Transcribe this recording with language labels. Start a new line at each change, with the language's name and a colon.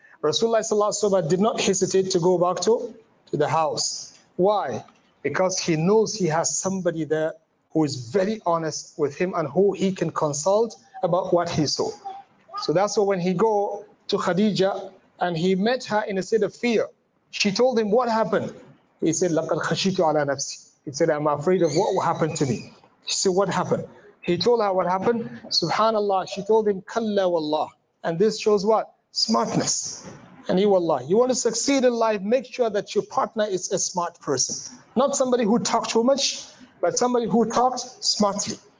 English: Rasulullah sallallahu alaihi wasallam did not hesitate to go back to the house. Why? Because he knows he has somebody there who is very honest with him and who he can consult about what he saw. So that's why when he go to Khadija and he met her in a state of fear, she told him what happened. He said,
Arabic: لَقَدْ خَشِيتُ عَلَى نَفْسِي.
English: He said, I'm afraid of what will happen to me. She said, what happened? He told her what happened. Subhanallah, she told him,
Arabic: كَلَّا وَاللَّهِ.
English: And this shows what? Smartness. And he, wallah, you want to succeed in life, make sure that your partner is a smart person. Not somebody who talked too much, but somebody who talked smartly.